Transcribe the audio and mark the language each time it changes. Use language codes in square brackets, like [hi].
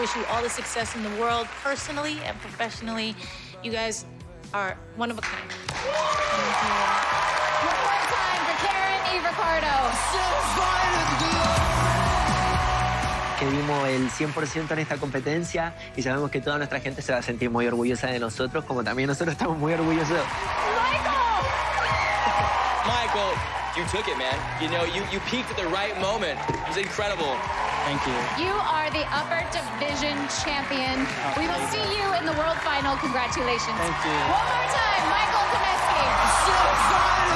[en] All the success in the world, personally and professionally. You guys are one of a kind. Thank you. One more time for Karen E. Ricardo. [es] Que dimos el 100% en esta competencia y sabemos que toda nuestra gente se va a sentir muy orgullosa de nosotros, como también nosotros estamos muy orgullosos. [en] Michael, you took it, man. You know, you peaked at the right moment. It was incredible. Thank you. You are the upper division champion. Oh, we will you see go. You in the world final. Congratulations. Thank you. One more time, Michael Demesky.